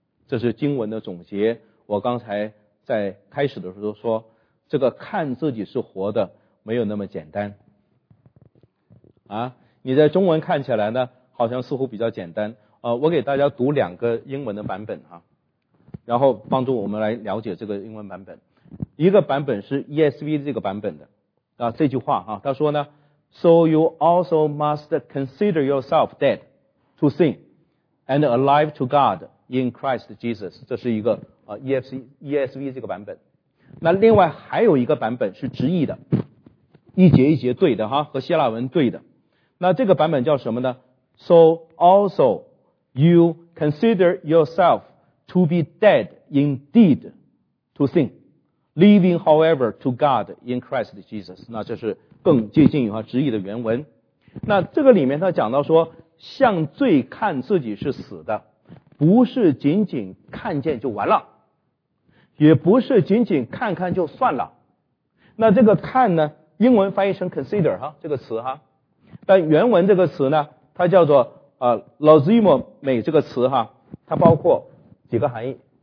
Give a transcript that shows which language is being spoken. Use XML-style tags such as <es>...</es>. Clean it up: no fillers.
<zh>这是经文的总结。我刚才在开始的时候说，这个看自己是活的没有那么简单啊。你在中文看起来呢好像似乎比较简单，我给大家读两个英文的版本啊，然后帮助我们来了解这个英文版本。一个版本是 ESV 这个版本的啊，这句话啊，他说呢</zh> <en>So you also must consider yourself dead to sin and alive to God in Christ Jesus。</en> <zh>这是一个ESV 这个版本。那另外还有一个版本是直译的，一节一节对的哈，和希腊文对的。那这个版本叫什么呢？</zh> <en>So also you consider yourself to be dead indeed to sin, living however to God in Christ Jesus。</en> <zh>那这是更接近于直译的原文。那这个里面他讲到说，向罪看自己是死的，不是仅仅看见就完了，也不是仅仅看看就算了。那这个看呢，英文翻译成 consider 哈，这个词哈，但原文这个词呢，它叫做lazimo me 这个词哈，它包括几个含义。</zh>